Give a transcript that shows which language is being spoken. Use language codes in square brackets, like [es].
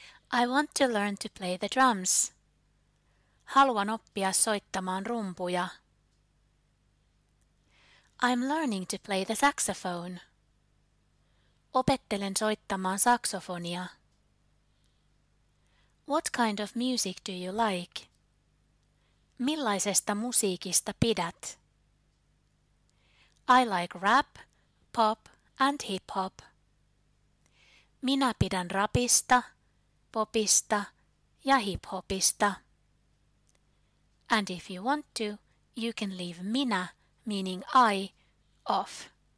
[en] I want to learn to play the drums. [fi] Haluan oppia soittamaan rumpuja. [en] I'm learning to play the saxophone. [fi] Opettelen soittamaan saksofonia. [en] What kind of music do you like? [fi] Millaisesta musiikista pidät? [en] I like rap, pop and hip-hop. [fi] Minä pidän rapista, popista ja hip-hopista. [en] And if you want to, you can leave minä, meaning I, off.